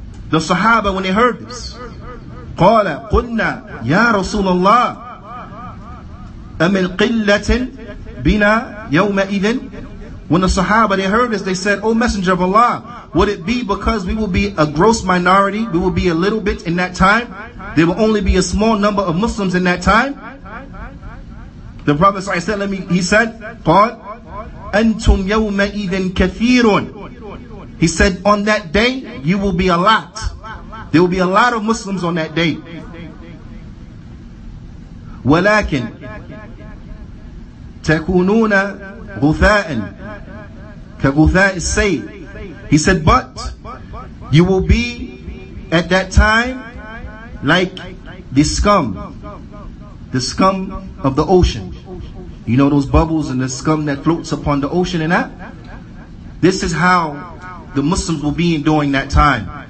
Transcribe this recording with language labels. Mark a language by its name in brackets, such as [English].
[English] The Sahaba, when they heard this, [Arabic] قَالَ قُلْنَا يَا رَسُولَ اللَّهِ أَمِنْ قِلَّةٍ بِنَا يَوْمَئِذٍ. [English] When the Sahaba, they heard this, they said, O Messenger of Allah, would it be because we will be a gross minority, we will be a little bit in that time, there will only be a small number of Muslims in that time? The Prophet [Arabic] صلى الله عليه وسلم, [English] he said, [Arabic] قال أنتم يومئذٍ كثيرون. [English] He said, on that day, you will be a lot. There will be a lot of Muslims on that day. [Arabic] ولكن تكونون غثاء كغثاء السيل. [English] He said, but you will be at that time like the scum the scum of the ocean. You know those bubbles and the scum that floats upon the ocean and that? This is how the Muslims will be in during that time.